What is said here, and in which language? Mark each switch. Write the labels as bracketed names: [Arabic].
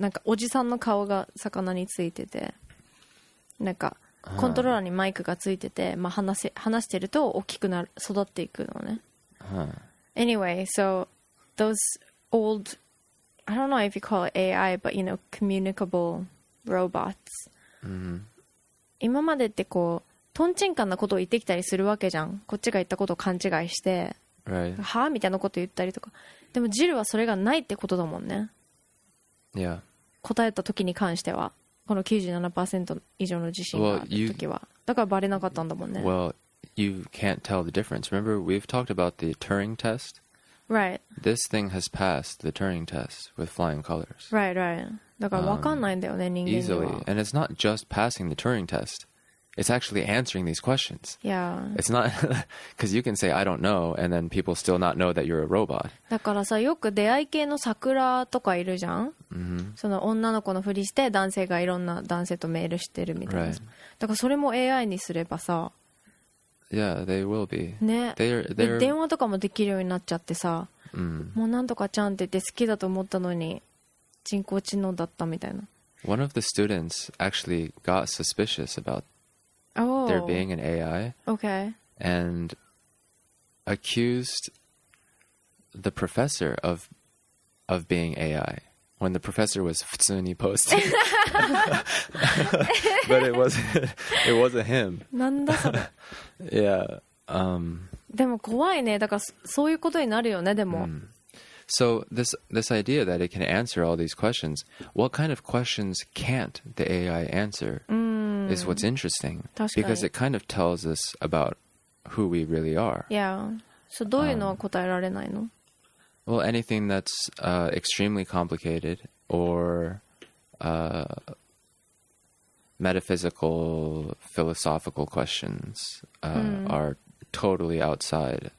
[Japanese] なんかおじさんの顔が魚についてて、なんかコントローラーにマイクがついてて、まあ話してると大きくなる、育っていくのね。 [English] Anyway, so those old... I don't know if you call it AI, but you know, communicable robots. [Japanese] 今までってこうトンチンカンなことを言ってきたりするわけじゃん。こっちが言ったことを勘違いして、 [English] right. [Japanese] はあみたいなこと言ったりとか。でもジルはそれがないってことだもんね。 [English] Yeah. [Japanese] 答えた時に関してはこの 97% 以上の自信があった時は、 [English] well, you... [Japanese] だからバレなかったんだもんね。 [English] Well, you can't tell the difference. Remember, we've talked about the Turing test? Right. This thing has passed the Turing test with flying colors. Right, right. [Japanese] だから分かんないんだよね、人間には。 [English] Easily. And it's not just passing the Turing test. it's actually answering these questions. Yeah. It's not, because you can say, I don't know, and then people still not know that you're a robot. [Japanese] だからさ、よく出会い系の桜とかいるじゃん。 Mm-hmm. その女の子のふりして男性がいろんな男性とメールしてるみたいな。 [English] Right. [Japanese] だからそれも AI にすればさ。 [English] Yeah, they will be. [Japanese] ね。 [English] They're... [Japanese] 電話とかもできるようになっちゃってさ。 Mm-hmm. もうなんとかちゃんって言って好きだと思ったのに、人工知能だったみたいな。 [English] One of the students actually got suspicious about there being an AI. Okay. And accused the professor of being AI when the professor was [Japanese] 普通に [English] posting. But it wasn't him. [Japanese] なんだ [English] Yeah. [Japanese] でも怖いね。だからそういうことになるよね、でも。 [English] So this idea that it can answer all these questions, what kind of questions can't the AI answer is what's interesting. Because it kind of tells us about who we really are. Yeah. [Japanese] So どういうのは答えられないの? [English] Well, anything that's extremely complicated or metaphysical, philosophical questions are totally outside.